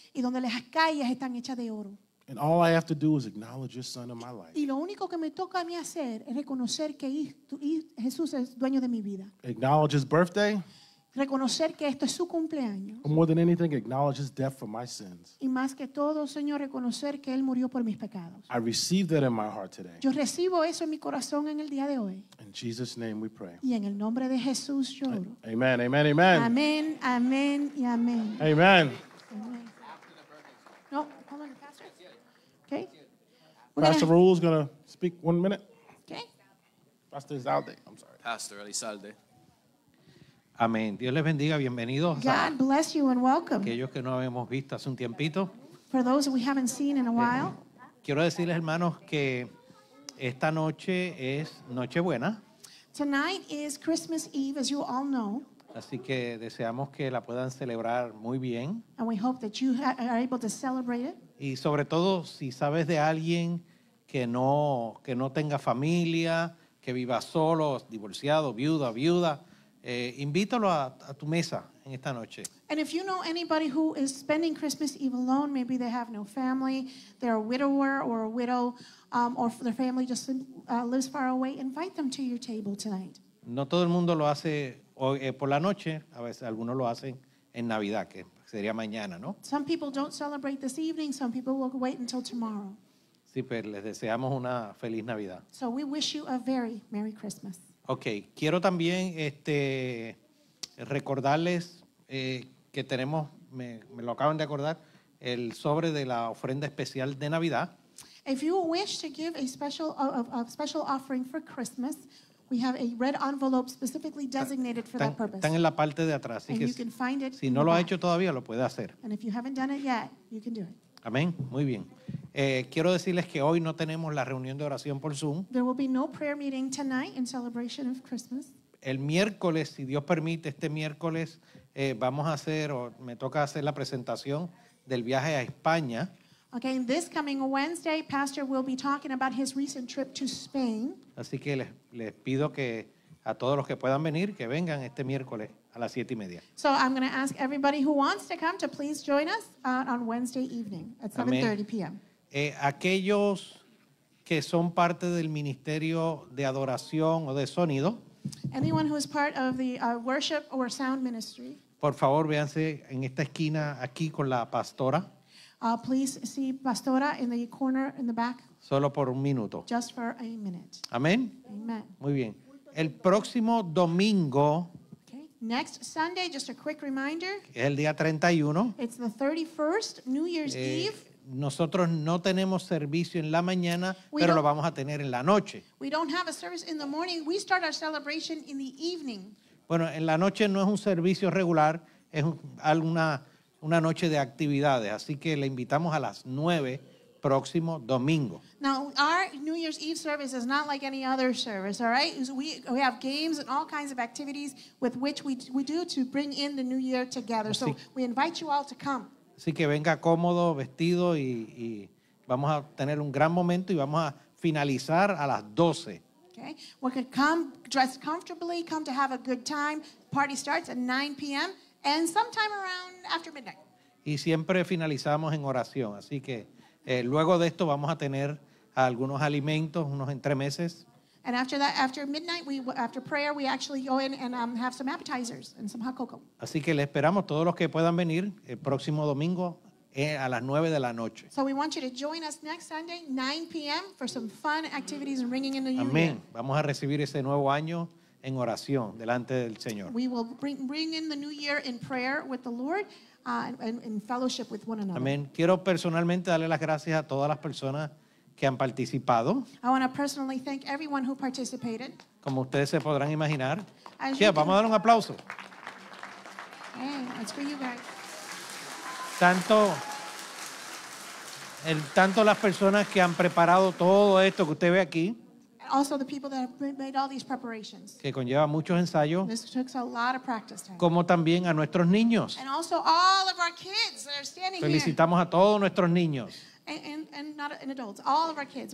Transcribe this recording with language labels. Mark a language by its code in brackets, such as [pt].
[es] Y donde las calles están hechas de oro. [en] And all I have to do is acknowledge your son in my life. [es] Y lo único que me toca a mí hacer es reconocer que Jesús es dueño de mi vida. [en] Acknowledge his birthday. [es] Reconocer que esto es su cumpleaños. [en] And more than anything, acknowledge his death for my sins. [es] Y más que todo, Señor, reconocer que él murió por mis pecados. [en] I receive that in my heart today. [es] Yo recibo eso en mi corazón en el día de hoy. [en] In Jesus' name we pray. [es] Y en el nombre de Jesús yo oro. [en] Amen, amen, amen. [es] Amen, amen y amen. [en] Amen. Amen. No, come on, Pastor. Okay. Pastor Raul is going to speak 1 minute. Okay. Pastor Elizalde, I'm sorry. Pastor Elizalde. [es] Amén. Dios les bendiga. Bienvenidos. [en] God bless you and welcome. [es] Aquellos que no habíamos visto hace un tiempito. [en] For those we haven't seen in a while. [es] Quiero decirles, hermanos, que esta noche es Nochebuena. [en] Tonight is Christmas Eve, as you all know. [es] Así que deseamos que la puedan celebrar muy bien. [en] And we hope that you are able to celebrate it. [es] Y sobre todo, si sabes de alguien que no tenga familia, que viva solo, divorciado, viuda. Invítalo a tu mesa en esta noche. [en] And if you know anybody who is spending Christmas Eve alone, maybe they have no family, they're a widower or a widow, or their family just lives far away, invite them to your table tonight. [es] No todo el mundo lo hace hoy, por la noche. A veces algunos lo hacen en Navidad, que sería mañana, ¿no? [en] Some people don't celebrate this evening. Some people will wait until tomorrow. [es] Sí, pero les deseamos una feliz Navidad. [en] So we wish you a very Merry Christmas. [es] Okay, quiero también recordarles que tenemos, me lo acaban de acordar, el sobre de la ofrenda especial de Navidad. [en] If you wish to give a special offering for Christmas, we have a red envelope specifically designated for that purpose. [es] Están en la parte de atrás, así [en] and [es] que [en] you can find it [es] si no lo ha hecho todavía, lo puede hacer. [en] And if you haven't done it yet, you can do it. [es] Amén, muy bien. Quiero decirles que hoy no tenemos la reunión de oración por Zoom. [en] There will be no prayer meeting tonight in celebration of Christmas. [es] El miércoles, si Dios permite, este miércoles vamos a hacer, o me toca hacer la presentación del viaje a España. [en] Okay, and this coming Wednesday, Pastor will be talking about his recent trip to Spain. [es] Así que les pido que a todos los que puedan venir, que vengan este miércoles a las 7:30. [en] So I'm going to ask everybody who wants to come to please join us on Wednesday evening at 7:30 p.m. [es] Aquellos que son parte del ministerio de adoración o de sonido. [en] Anyone who is part of the worship or sound ministry. [es] Por favor, véanse en esta esquina aquí con la pastora. [en] Please see Pastora in the corner in the back. [es] Solo por un minuto. [en] Just for a minute. [es] Amén. [en] Amen. [es] Muy bien. El próximo domingo. [en] Next Sunday, just a quick reminder. [es] Es el día 31. [en] It's the 31st, New Year's Eve. [es] Nosotros no tenemos servicio en la mañana, pero lo vamos a tener en la noche. [en] We don't have a service in the morning. We start our celebration in the evening. [es] Bueno, en la noche no es un servicio regular, es una noche de actividades. Así que le invitamos a las 9 próximo domingo. [en] Now, our New Year's Eve service is not like any other service, all right? We have games and all kinds of activities with which we do to bring in the New Year together. So we invite you all to come. [es] Así que venga cómodo, vestido y vamos a tener un gran momento y vamos a finalizar a las 12. [en] Okay. We can come dressed comfortably, come to have a good time. Party starts at 9 p.m. and sometime around after midnight. [es] Y siempre finalizamos en oración, así que luego de esto vamos a tener algunos alimentos, unos entremeses. [en] And after that, after midnight, after prayer, we actually go in and have some appetizers and some hot cocoa. [es] Así que le esperamos todos los que puedan venir el próximo domingo a las 9 de la noche. [en] So we want you to join us next Sunday, 9 p.m. for some fun activities and ringing in the union. Amén. [es] Vamos a recibir ese nuevo año en oración delante del Señor. [en] We will bring in the new year in prayer with the Lord. In fellowship with one another. [es] Amén. Quiero personalmente darle las gracias a todas las personas que han participado. [en] I want to personally thank everyone who participated. [es] Como ustedes se podrán imaginar. Vamos a dar un aplauso. [en] Hey, it's for you guys. [es] Tanto las personas que han preparado todo esto que usted ve aquí. [en] And also the people that have made all these preparations. [es] Que conlleva muchos ensayos. [en] This took a lot of practice time. [es] Como también a nuestros niños. [en] And also all of our kids that are standing here. [es] Felicitamos a todos nuestros niños. [en] And not in adults, all of our kids.